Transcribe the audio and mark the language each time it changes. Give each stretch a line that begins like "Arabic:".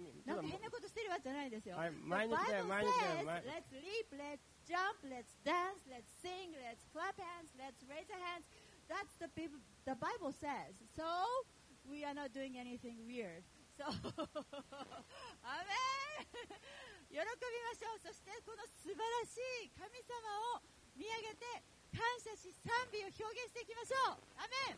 Japanese: なんか変なことしてるわけじゃないですよ。はい、毎日だよ毎日だよ。
English: Let's leap, let's jump, let's dance, let's sing, let's clap hands, let's raise our handsThat's the people, the Bible says. So, we are not doing anything weird. So, Amen!
Japanese: 喜びましょう。そしてこの素晴らしい神様を見上げて感謝し賛美を表現していきましょう。